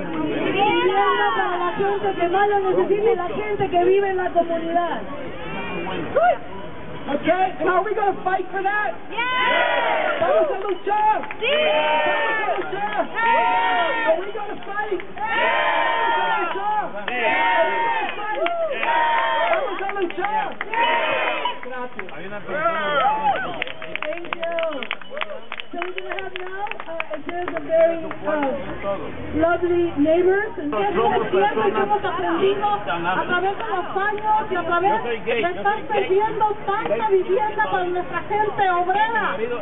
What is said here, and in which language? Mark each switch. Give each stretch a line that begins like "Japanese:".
Spanish: ¡Vivienda para la gente que más lo necesita, la gente que vive en la comunidad!
English: Okay, and are we going to fight for that? Yes!
Spanish: Vamos a luchar! Sí! Vamos a luchar!
English: Yes! Are we going to fight? Yes!
Spanish: Vamos a luchar!
English: Yes!
Spanish: Vamos a luchar!
English: Yes!
Spanish: Gracias.
English: Thank you. So we're going to have now, and there's a very lovely neighbor. And guess what?
Spanish: Siempre hemos aprendido a través de los años y a través de estar perdiendo tanta vivienda para nuestra gente obrera.